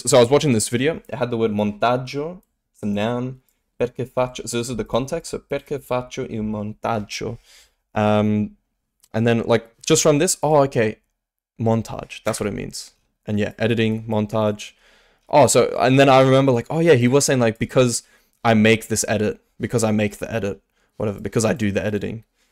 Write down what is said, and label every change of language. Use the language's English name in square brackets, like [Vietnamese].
[English] So I was watching this video. It had the word montaggio. It's a noun. [Italian] Perché faccio? [English] So this is the context. [Italian] So perché faccio il montaggio? [English] And then, like, just from this, oh, okay, montage. That's what it means. And yeah, editing, montage. Oh, so, and then I remember, like, oh yeah, he was saying, like, because I do the editing.